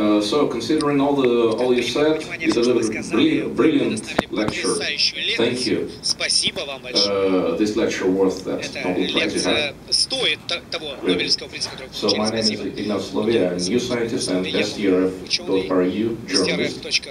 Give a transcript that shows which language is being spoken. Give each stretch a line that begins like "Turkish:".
English: So, considering all you said, it was a brilliant lecture. Thank you.
Russian: Спасибо вам большое.
English: This lecture worth that Nobel Prize.
Russian: Это лекция стоит того Нобелевского приза, который вы получили.
English: So, my name is Ignaz Slovia, I'm new scientist and STRF.ru journalist.